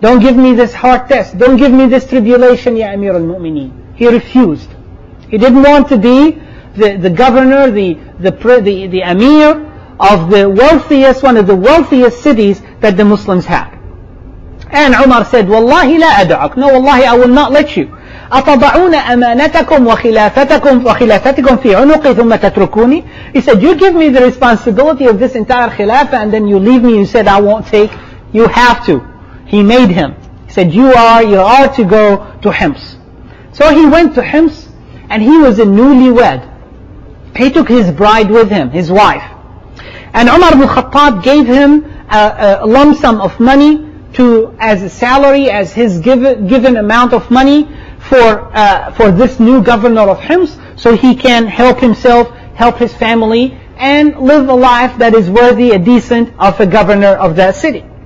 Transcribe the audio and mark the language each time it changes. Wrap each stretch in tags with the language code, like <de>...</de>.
<en>Don't give me this heart test. Don't give me this tribulation, Ya Amir al-Mu'mineen. He refused. He didn't want to be the governor, the Amir of the wealthiest, one of the wealthiest cities that the Muslims have. And Umar said,</en> <ar>Wallahi la ad'ak.</ar> <en>No, Wallahi, I will not let you.</en> <ar>أتضعون أمانتكم وخلافتكم وخلافتكم في عنقي ثم تتركوني.</ar> <en>He said, you give me the responsibility of this entire khilafah and then you leave me. You said, I won't take. You have to. He made him. He said, you are to go to Hims. So he went to Hims and he was a newlywed. He took his bride with him, his wife. And Umar ibn Khattab gave him a lump sum of money to as a salary, as his given amount of money for this new governor of Hims, so he can help himself, help his family, and live a life that is worthy, a decent, of a governor of that city.</en>